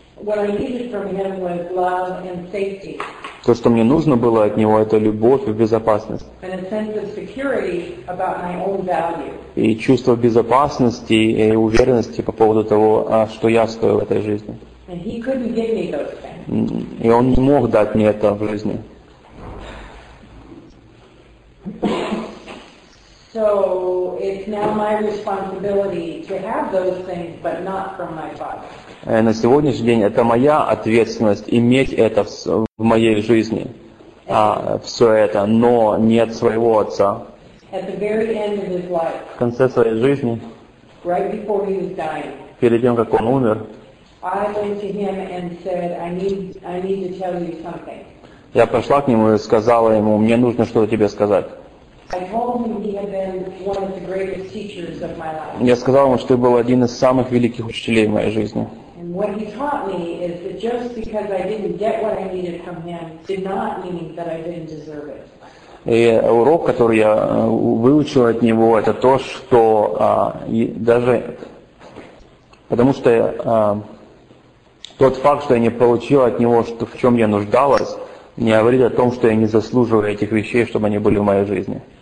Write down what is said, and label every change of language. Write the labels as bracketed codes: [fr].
[en] What I needed from him was love and safety. [ru] То, что мне нужно было от него, это любовь и безопасность. [en] And a sense of security about my own value. [ru] И чувство безопасности и уверенности по поводу того, что я стою в этой жизни. [en] And he couldn't give me those things. [ru] И он не мог дать мне это в жизни. [en] So it's now my responsibility to have those things, but not from my father. [ru] На сегодняшний день это моя ответственность иметь это в моей жизни, все это, но не от своего отца. [en] At the very end of his life, [ru] в конце своей жизни, [en] right before he was dying, [ru] перед тем, как он умер, [en] I went to him and said, I need to tell you something. [ru] Я пошла к нему и сказала ему, мне нужно что-то тебе сказать. [en] I told him he had been one of the greatest teachers of my life. [ru] Я сказал ему, что был один из самых великих учителей в моей жизни. [en] And what he taught me is that just because I didn't get what I needed from him did not mean that I didn't deserve it. [ru] И урок, который я выучил от него, это то, что даже потому что тот факт, что я не получил от него, что в чем я нуждалась, не говорит о том, что я не заслуживаю этих вещей, чтобы они были в моей жизни.